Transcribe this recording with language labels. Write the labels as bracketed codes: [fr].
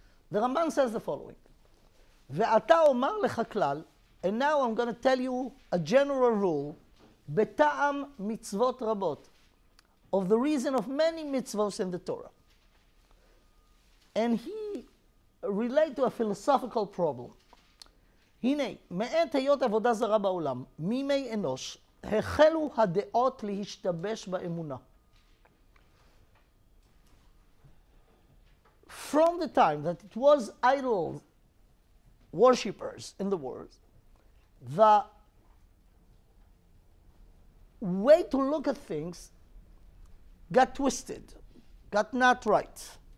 [en] The Ramban says the following, [he] ואתה אומר לך כלל, [en] and now I'm going to tell you a general rule, [he] בטעם מצוות רבות, [en] of the reason of many mitzvot in the Torah. And he relate to a philosophical problem. [he] הנה, מעט היות עבודה זרה בעולם, מימי אנוש, החלו הדעות להשתבש באמונה. [en] From the time that it was idol worshippers in the world, the way to look at things got twisted, got not right.